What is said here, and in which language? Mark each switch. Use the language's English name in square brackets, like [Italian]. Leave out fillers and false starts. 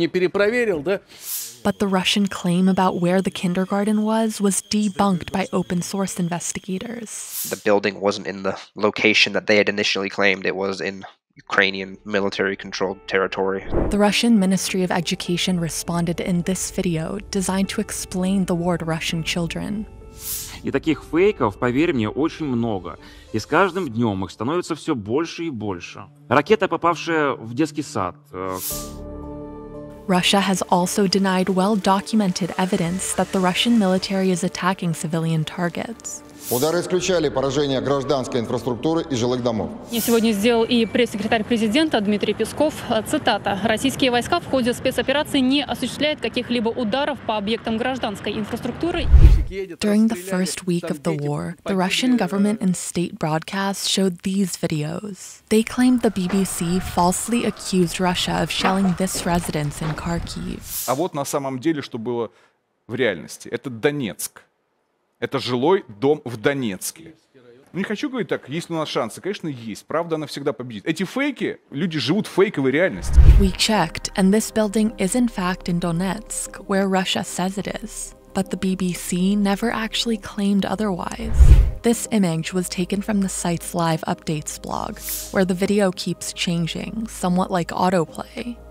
[English] But the Russian claim about where the kindergarten was debunked by open source investigators. The building wasn't in the location that they had initially claimed. It was in Ukrainian military-controlled territory. The Russian Ministry of Education responded in this video, designed to explain the war to Russian children. [Russian] И таких фейков, поверь мне, очень много. И с каждым днем их становится все больше и больше. Ракета, попавшая в детский сад. [English] Russia has also denied well-documented evidence that the Russian military is attacking civilian targets. [Russian] Удары исключали поражение гражданской инфраструктуры и жилых домов. Я сегодня сделал и пресс-секретарь президента Дмитрий Песков. Цитата. Российские войска в ходе спецоперации не осуществляют каких-либо ударов по объектам гражданской инфраструктуры. [English] During the first week of the war, the Russian government and state broadcasts showed these videos. They claimed the BBC falsely accused Russia of shelling this residence in Kharkiv. [Russian] А вот на самом деле, что было в реальности. Это Донецк. Это жилой дом в Донецке. Не хочу говорить так, есть ли у нас шансы? Конечно, есть. Правда, она всегда победит. Эти фейки, люди живут в фейковой реальности. [English] We checked, and this building is in fact in Donetsk, where Russia says it is. But the BBC never actually claimed otherwise. This image was taken from the site's live updates blog, where the video keeps changing, somewhat like autoplay.